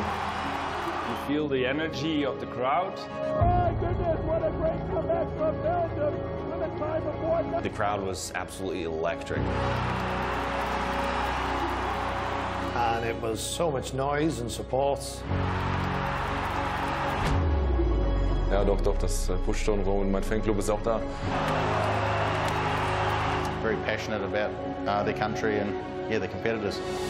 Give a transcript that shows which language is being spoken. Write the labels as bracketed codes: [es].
[en] You feel the energy of the crowd. My goodness, what a great comeback from Belgium! The crowd was absolutely electric. And it was so much noise and support. [de] Ja, doch, das Pushstone Row und mein Fanclub ist auch da. [en] Very passionate about their country and, yeah, the competitors.